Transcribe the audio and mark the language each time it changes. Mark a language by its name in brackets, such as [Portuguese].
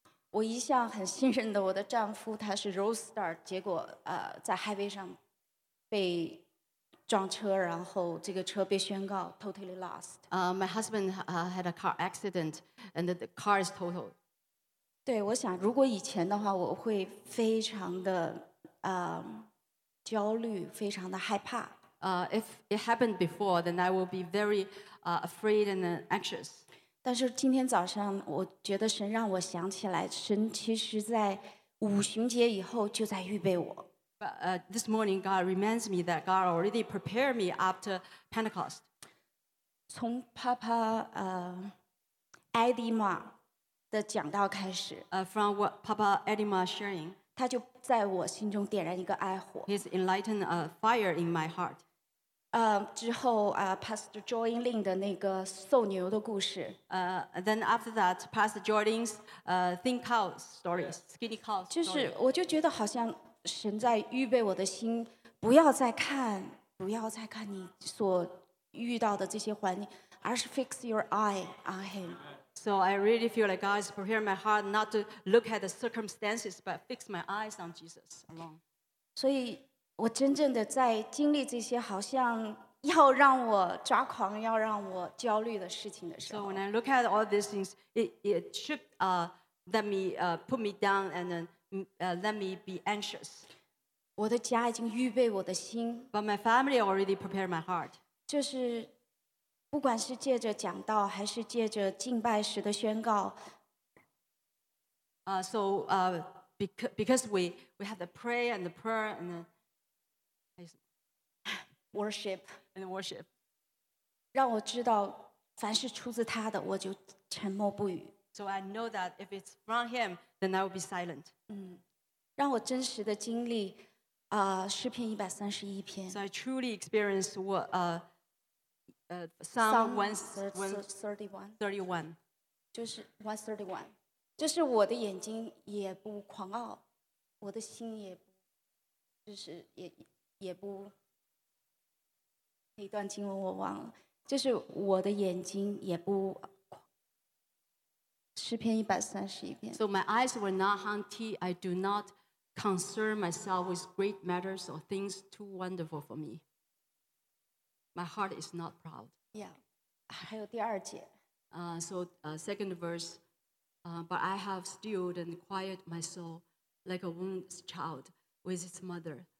[Chinese] 我一向很信任的我的丈夫，他是 Roadster， 结果在 Highway 上被撞车，然后这个车被宣告 [English] totally lost. My husband had a car accident, and the car is total. [Chinese] 对，我想如果以前的话，我会非常的焦虑，非常的害怕。 [English] If it happened before, then I will be very afraid and anxious. [Chinese] 但是今天早上，我觉得神让我想起来，神其实在五旬节以后就在预备我。 [English] But this morning, God reminds me that God already prepared me after Pentecost. [Chinese] 从 Papa Edima 的讲道开始。 [English] From what Papa Edima sharing, [Chinese] 他就在我心中点燃一个爱火。 [English] He's enlightened a fire in my heart. [Chinese] 之后Pastor Jordan Lin 的那个瘦牛的故事。 [English] Then after that, Pastor Jordan's thin cow story, skinny cow story. [Chinese] 就是我就觉得好像神在预备我的心，不要再看你所遇到的这些环境，而是 [English] fix your eye on him. So I really feel like God is preparing my heart not to look at the circumstances, but fix my eyes on Jesus alone. [Chinese] 所以我真正的在经历这些好像要让我抓狂、要让我焦虑的事情的时候 [English] ，So when I look at all these things, it should put me down and then let me be anxious. [Chinese] 我的家已经预备我的心 [English] ，But my family already prepared my heart. [Chinese] 就是不管是借着讲道，还是借着敬拜时的宣告 [English] ，So because we have the prayer and the prayer and then, Worship and worship. [Chinese] 让我知道，凡是出自他的，我就沉默不语。 [English] So I know that if it's from him, then I will be silent. [Chinese] 让我真实的经历，诗篇一百三十一篇。 [English] So I truly experienced what Psalm 131. [Chinese] 就是131，就是我的眼睛也不狂傲，我的心也不，就是也不。那段经文我忘了，就是我的眼睛也不。诗篇一百三十一篇。 [English] So my eyes were not haughty. I do not concern myself with great matters or things too wonderful for me. My heart is not proud. [Chinese] Yeah. 还有第二节。 [English] Second verse. But I have stilled and quieted my soul, like a wounded child with its mother.